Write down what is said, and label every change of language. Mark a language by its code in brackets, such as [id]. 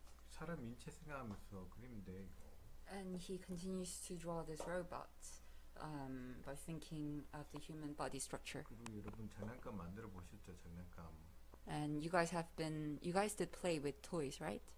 [ko] 사람 인체 생각하면서 그림인데 이거. [en] And he continues to draw this robot by thinking of the human body structure. [ko] 그리고 여러분 장난감 만들어 보셨죠, 장난감. [en] And you guys have been, you guys did play with toys, right?